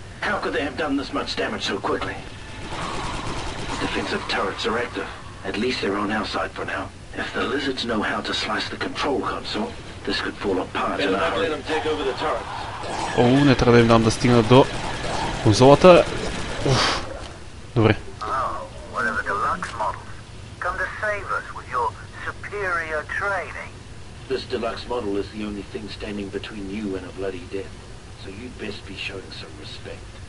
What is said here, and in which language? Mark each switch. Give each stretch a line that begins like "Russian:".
English: How could they have done this much damage so quickly? The defensive turrets are active. At least they're on our side for now. If the lizards know how to slice the control console, this could fall apart in a hurry.
Bulgarian: Не трябва да им дам да стигна до конзолата. Уф. Добре.
English: Oh, one of the deluxe models. Come to save us with your superior training. This deluxe model is the only thing standing between you and a bloody death. So you'd best be showing some respect.